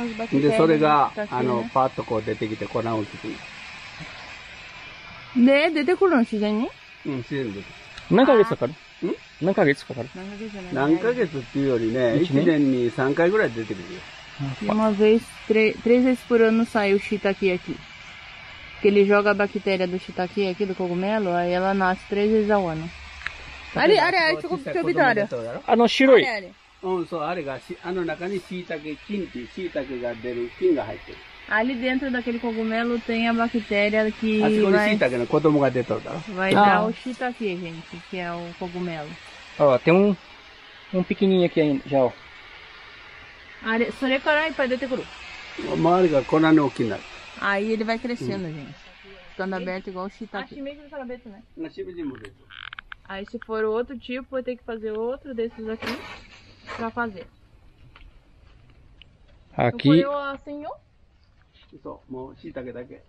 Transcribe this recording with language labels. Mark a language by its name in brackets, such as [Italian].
[Japanese] でそれがパッとこう出てきて粉を作る。で出てくるの自然に？うん自然です。何ヶ月かかる？ん？何ヶ月かかる？何ヶ月っていうよりね、1年に3回ぐらい出てくるよ。 [Portuguese] Uma vez três vezes por ano sai o shiitake aqui. Que ele joga a bactéria do shiitake aqui do cogumelo, aí ela nasce três vezes ao ano. [Japanese] あれあれあれ、ちょっと見てみたら。あの白い。あれあれ。うん、そう、あれが、あの中に椎茸菌っていう、椎茸が出る菌が入ってる。 [Portuguese] Ali dentro daquele cogumelo tem a bactéria que vai... [Japanese] あそこに椎茸の子供が出とるだろ。 [Portuguese] Vai dar o shiitake, gente, que é o cogumelo. Ó, tem um pequenininho aqui ainda, já, ó. [Japanese] あれ、それからいっぱい出てくる。周りが粉の大きいなる。 [Portuguese] Aí ele vai crescendo, gente. Ficando aberto igual o shiitake. Acho mesmo que tá aberto, né? Na chiva de mulher. Aí se for outro tipo, vai ter que fazer outro desses aqui pra fazer. Aqui... Eu ponho assim, ó. Só, o shiitake daqui.